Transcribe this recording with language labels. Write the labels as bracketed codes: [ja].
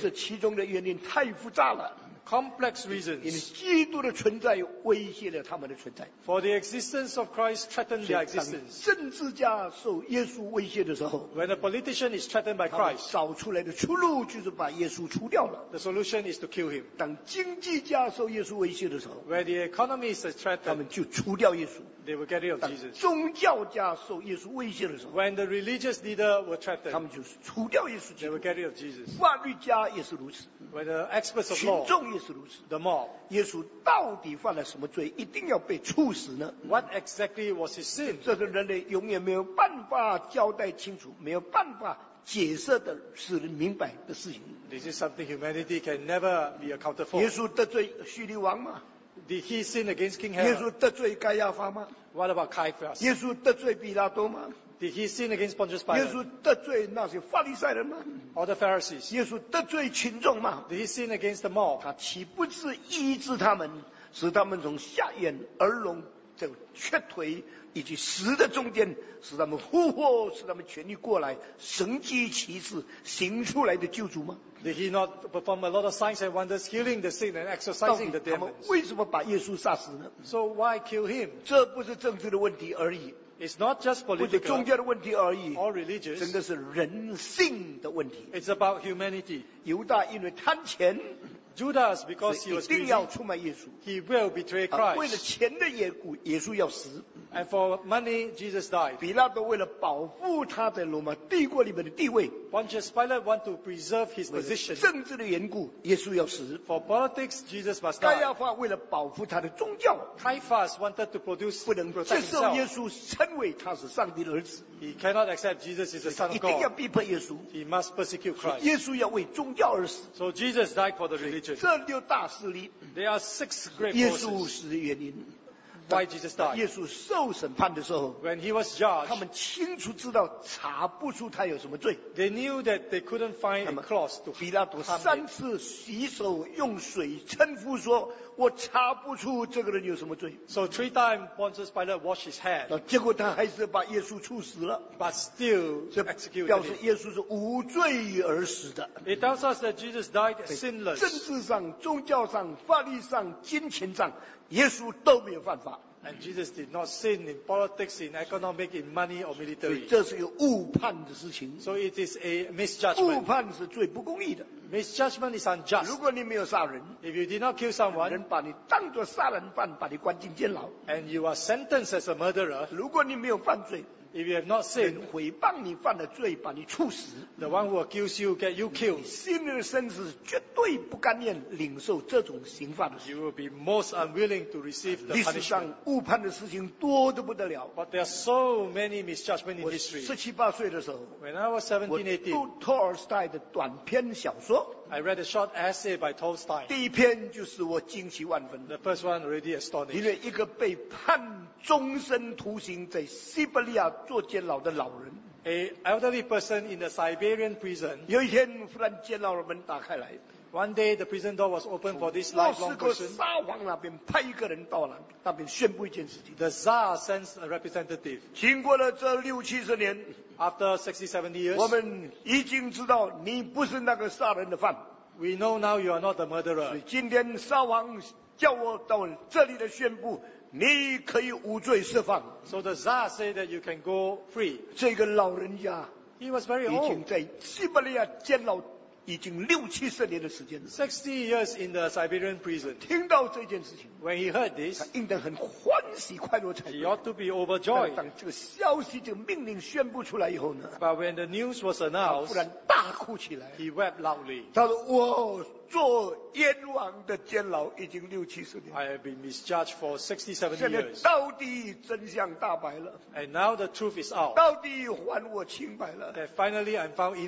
[zh] 这其中的原因太复杂了。 [en] Complex reasons. [zh] 因为基督的存在威胁了他们的存在。 [en] For the existence of Christ threatened their existence. [zh] 当政治家受耶稣威胁的时候 [en] ，When a politician is threatened by Christ, [zh] 找出来的出路就是把耶稣除掉了。 [en] The solution is to kill him. [zh] 当经济家受耶稣威胁的时候 [en] ，When the economy is threatened, [zh] 他们就除掉耶稣。 [en] They will get rid of Jesus. [zh] 当宗教家受耶稣威胁的时候 [en] ，When the religious leader were threatened, [zh] 他们就是除掉耶稣基督。 [en] They will get rid of Jesus. [zh] 法律家也是如此。 [en] When the experts of law, [zh] 群众也是如此。 [en] The mob, [zh] 耶稣到底犯了什么罪，一定要被处死呢 [en] ？What exactly was his sin? [zh] 这个人类永远没有办法交代清楚，没有办法解释的使人明白的事情。 [en] This is something humanity can never be accounted for. [zh] 耶稣得罪叙利王吗？ [en] Did he sin against King Herod? [zh] 耶稣得罪该亚法吗 [en] ？What about Caiaphas? [zh] 耶稣得罪比拉多吗 [en] ？Did he sin against Pontius Pilate? [zh] 耶稣得罪那些法利赛人吗 [en] ？Or the Pharisees? [zh] 耶稣得罪群众吗 [en] ？Did he sin against the mob? [zh] 他岂不是医治他们，使他们从瞎眼、耳聋、这瘸腿以及死的中间，使他们复活，使他们痊愈过来，神迹奇事行出来的救主吗？ [en] Did he not perform a lot of signs and wonders, healing the sick and exorcising the demons? [zh] 到底他们为什么把耶稣杀死呢 [en] ？So why kill him? [zh] 这不是政治的问题而已。 [en] It's not just political. [zh] 不是宗教的问题而已。 [en] Or religious. [zh] 真的是人性的问题。 [en] It's about humanity. [zh] 犹大因为贪钱。 [en] Judas, because he was greedy, he will betray Christ. [zh] 为了钱的耶稣要死。 [en] And for money, Jesus died. [zh] 比拉多为了保护他在罗马帝国里面的地位。 [en] Pontius Pilate wanted to preserve his position. [zh] 为了政治的缘故，耶稣要死。 [en] For politics, Jesus must die. [zh] 该亚法为了保护他的宗教。 [en] Caiaphas wanted to produce, [zh] 不能接受耶稣称为他是上帝的儿子。 [en] He cannot accept Jesus as the Son of God. [zh] 一定要逼迫耶稣。 [en] He must persecute Christ. [zh] 耶稣要为宗教而死。 [en] So Jesus died for the religion. [zh] 这六大势力。 [en] There are six great forces. [zh] 耶稣死的原因。 [en] Why Jesus died? [zh] 耶稣受审判的时候, [en] when he was judged, [zh] 他们清楚知道查不出他有什么罪, [en] they knew that they couldn't find a cross to condemn him. [zh] 比拉多三次洗手用水称呼说, 我查不出这个人有什么罪。 [en] So three times Pontius Pilate washed his hands. [zh] 结果他还是把耶稣处死了。 [en] But still executed him. [zh] 表示耶稣是无罪而死的。 [en] It tells us that Jesus died sinless. [zh] 政治上, 宗教上, 法律上, 金钱上, 耶稣都没有犯法。 [en] And Jesus did not sin in politics, in economic, in money or military. [zh] 这是一个误判的事情。 [en] So it is a misjudgment. [zh] 误判是最不公义的。 [en] Misjudgment is unjust. [zh] 如果你没有杀人, [en] if you did not kill someone, [zh] 人把你当作杀人犯, 把你关进监牢, [en] and you are sentenced as a murderer, [zh] 如果你没有犯罪, [en] if you have not sinned, [zh] 人毁谤你犯的罪, 把你处死, [en] the one who accuses you get you killed. [zh] 你心里的身子绝对不甘愿, 领受这种刑罚的事。 [en] You will be most unwilling to receive the punishment. [zh] 历史上误判的事情多得不得了。 [en] But there are so many misjudgments in history. [zh] 我17、18岁的时候, [en] when I was 17, 18, [zh] 我读托尔斯泰的短篇小说, [en] I read a short essay by Tolstoy. [zh] 第一篇就是我惊奇万分。 [en] The first one already astonished. [zh] 因为一个被判 终身徒刑在西伯利亚坐监牢的老人， [en] a elderly person in the Siberian prison. [zh] 有一天忽然监牢门打开来， [en] one day the prison door was opened for this lifelong person. [zh] 撒谎那边派一个人到那边宣布一件事情。 [en] The Tsar sends a representative. [zh] 经过了这六七十年， [en] after 60-70 years, [zh] 我们已经知道你不是那个杀人的犯。 [en] We know now you are not the murderer. [zh] 所以今天撒谎叫我到这里来宣布， 你可以无罪释放。 [en] So the Tsar said that you can go free. [zh] 这个老人家, [en] he was very old. [zh] 已经在西伯利亚监牢已经六七十年的时间。 [en] 60 years in the Siberian prison. [zh] 听到这件事情, [en] when he heard this, [zh] 他应当很欢喜快乐才对。 [en] He ought to be overjoyed. [zh] 当这个消息这个命令宣布出来以后呢, [en] but when the news was announced, [zh] 他忽然大哭起来。 [en] He wept loudly. [zh] 他说, 做冤枉的监牢已经六七十年。 [en] I have been misjudged for 60-70 years. [zh] 现在到底真相大白了。 [en] And now the truth is out. [zh] 到底还我清白了。 [en] That finally I'm found innocent.